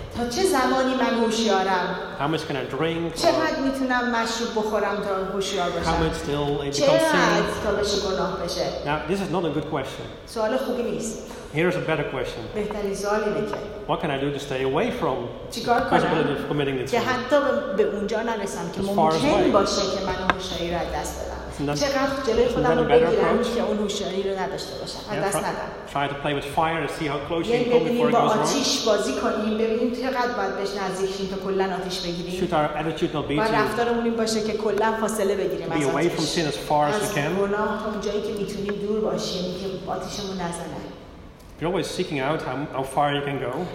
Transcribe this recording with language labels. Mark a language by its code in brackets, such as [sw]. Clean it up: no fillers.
[fa] تا چه زمانی من هوشیارم؟ [en] How much can I drink? [fa] چقدر میتونم مشروب بخورم تا هوشیار باشم؟ [en] How much till it becomes sin? [fa] چقدر تا بشه گناه بشه؟ [en] Now, this is not a good question. [fa] سوال خوبی نیست. [en] Here's a better question. [fa] بهترین سوال اینه که [en] What can I do to stay away from possibility of committing this sin? [fa] چه حتی به اونجا نرسم که ممکن باشه که من هوشیاری رو از دست بدم. چقدر جلوی خودم رو بگیرم که اون هوشیاری رو نداشته باشم از دست ندم. [en] Try to play with fire to see how close you can come before it goes wrong. [fa] با آتش بازی کنیم ببینیم چقدر باید بهش نزدیک شیم تا کلا آتش بگیریم. [en] Should our attitude not be to [fa] رفتارمون این باشه که کلا فاصله بگیریم از آتش. [en] Be away from sin as far as we can. [fa] از گناه تا اون جایی که میتونیم دور باشیم که آتشمون نزنه. [en] You're always seeking out how far you can go.